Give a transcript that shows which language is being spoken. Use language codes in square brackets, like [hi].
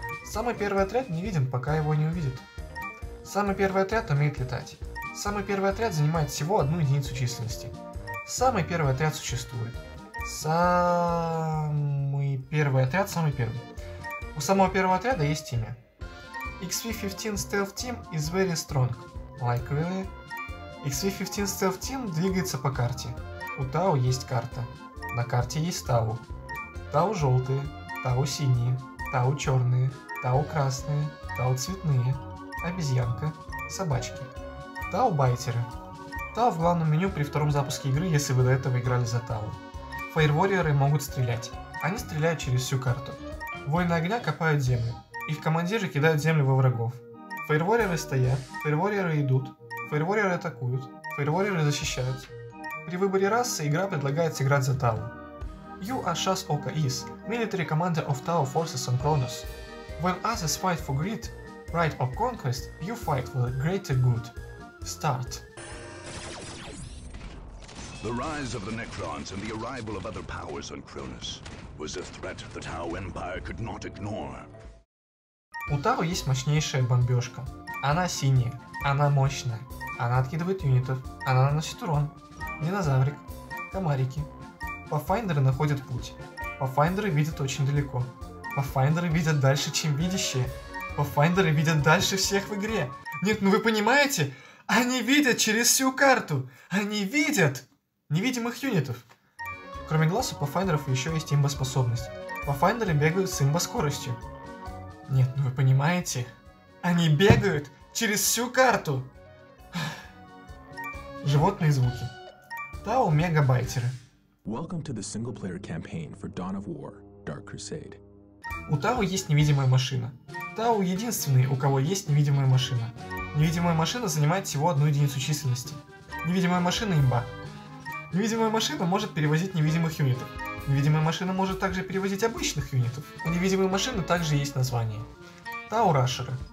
[ru] Самый первый отряд не виден, пока его не увидит. Самый первый отряд умеет летать. Самый первый отряд занимает всего одну единицу численности. Самый первый отряд существует. Самый первый отряд, самый первый. У самого первого отряда есть имя. [en] XV-15 Stealth Team is very strong. Like really? [ru] XV-15 Stealth Team двигается по карте. У Тао есть карта. На карте есть Тао. Тао желтые, Тао синие, Тао черные, Тао красные, Тао цветные, обезьянка, собачки. Тао байтеры. Тао в главном меню при втором запуске игры, если вы до этого играли за Тао. Фаерворьеры могут стрелять. Они стреляют через всю карту. Воины огня копают землю. Их командиры кидают землю во врагов. Фаерворьеры стоят, фаерворьеры идут, фаерворьеры атакуют, фаерворьеры защищают. При выборе расы игра предлагает сыграть за Тао. [en] You are Shas Oka Is, military commander of Tao forces on Kronos. When others fight for greed, right of conquest, you fight for the greater good. Start. The rise of the Necrons and the arrival of other powers on Kronos was a threat the Tao Empire could not ignore. [ru] У Тао есть мощнейшая бомбежка. Она синяя, она мощная, она откидывает юнитов, она наносит урон. Динозаврик, комарики. Пафайндеры находят путь. Пафайндеры видят очень далеко. Пафайндеры видят дальше, чем видящие. Пафайндеры видят дальше всех в игре. Нет, ну вы понимаете? Они видят через всю карту. Они видят невидимых юнитов. Кроме глаз у пафайндеров еще есть имбоспособность. Пафайндеры бегают с имбоскоростью. Нет, ну вы понимаете? Они бегают через всю карту. Животные звуки. Тао мегабайтеры. [en] Welcome to the single-player campaign for Dawn of War, Dark Crusade. [ru] У Тао есть невидимая машина. Тао единственный, у кого есть невидимая машина. Невидимая машина занимает всего одну единицу численности. Невидимая машина имба. Невидимая машина может перевозить невидимых юнитов. Невидимая машина может также перевозить обычных юнитов. У невидимой машины также есть название. Тао рашеры.